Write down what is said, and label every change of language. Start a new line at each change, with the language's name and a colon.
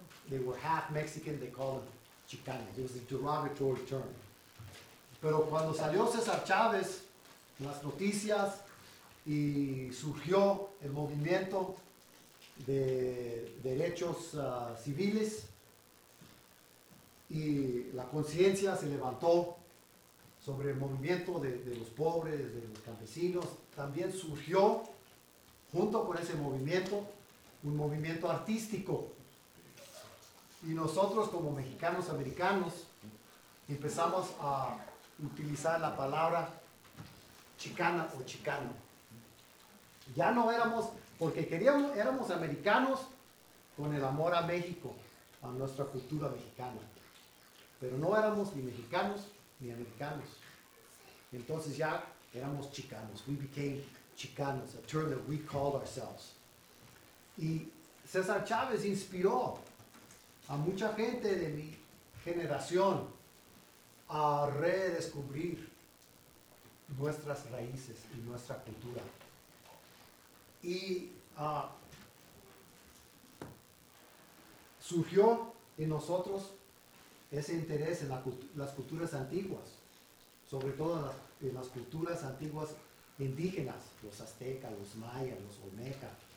English: They were half Mexican, they called them Chicano. It was a derogatory term.
Spanish: Pero cuando salió César Chávez, las noticias, y surgió el movimiento de derechos civiles, y la conciencia se levantó sobre el movimiento de los pobres, de los campesinos. También surgió, junto con ese movimiento, un movimiento artístico. Y nosotros, como mexicanos americanos, empezamos a utilizar la palabra chicana o chicano. Ya no éramos, porque queríamos, éramos americanos con el amor a México, a nuestra cultura mexicana. Pero no éramos ni mexicanos ni americanos. Entonces ya éramos chicanos.
English: We became chicanos, a term that we called ourselves.
Spanish: Y César Chávez inspiró a mucha gente de mi generación a redescubrir nuestras raíces y nuestra cultura. Y surgió en nosotros ese interés en las culturas antiguas, sobre todo en las culturas antiguas indígenas, los aztecas, los mayas, los olmecas.